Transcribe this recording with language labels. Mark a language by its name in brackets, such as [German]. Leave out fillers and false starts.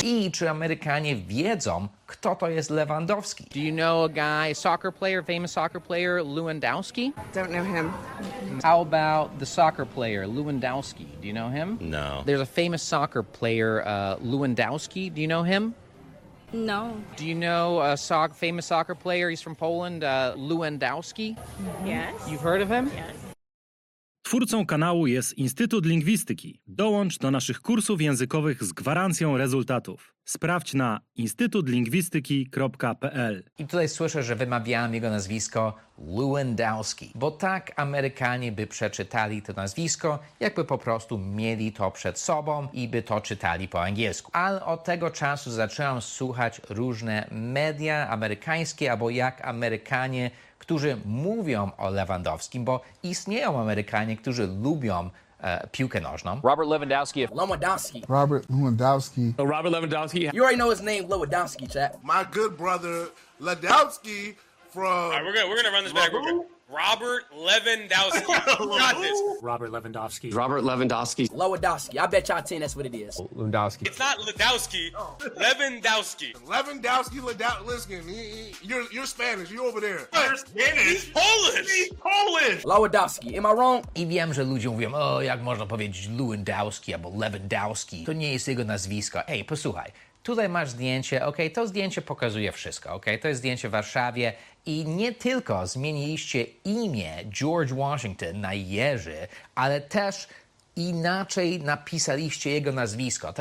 [Polish] I czy Amerykanie wiedzą, kto to jest Lewandowski? [English] Do you know a guy, a soccer player, famous soccer player, Lewandowski? Don't know him. How about the soccer player, Lewandowski? Do you know him? No. There's a famous soccer player, Lewandowski. Do you know him? No. Do you know a famous soccer player? He's from Poland, Lewandowski? Yes. You've heard of him? Yes. [Polish] Twórcą kanału jest Instytut Lingwistyki. Dołącz do naszych kursów językowych z gwarancją rezultatów. Sprawdź na instytutlingwistyki.pl. I tutaj słyszę, że wymawiałem jego nazwisko Lewandowski, bo tak Amerykanie by przeczytali to nazwisko, jakby po prostu mieli to przed sobą i by to czytali po angielsku. Ale od tego czasu zacząłem słuchać różne media amerykańskie, albo jak Amerykanie, którzy mówią o Lewandowskim, bo istnieją Amerykanie, którzy lubią piłkę nożną. [English] Robert Lewandowski. Lewandowski. Robert Lewandowski. Robert Lewandowski. You already know his name, Lewandowski, chat. My good brother, Lewandowski from... All right, we're gonna run this back. Robert Lewandowski. Robert Lewandowski. Got this. Robert Lewandowski. Robert Lewandowski. Lewandowski. I bet y'all 10 that's what it is. Lewandowski. It's not Lewandowski. Lewandowski. Lewandowski, listen, you're Spanish, you're over there. You're Spanish? He's Polish. He's Polish. Lewandowski, am I wrong? [Polish] I wiem, że ludzie mówią, o, jak można powiedzieć Lewandowski albo Lewandowski. To nie jest jego nazwisko. Ej, posłuchaj. Tutaj masz zdjęcie, okej, to zdjęcie pokazuje wszystko, okej, to jest zdjęcie w Warszawie i nie tylko zmieniliście imię George Washington na Jerzy, ale też inaczej napisaliście jego nazwisko.